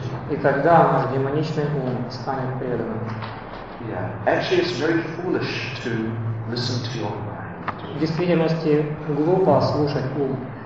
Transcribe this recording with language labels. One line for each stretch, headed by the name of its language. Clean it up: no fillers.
Russian: И тогда наш демоничный ум станет преданным.
English: Actually, it's very foolish to listen to your mind.
Russian: В действительности глупо слушать ум.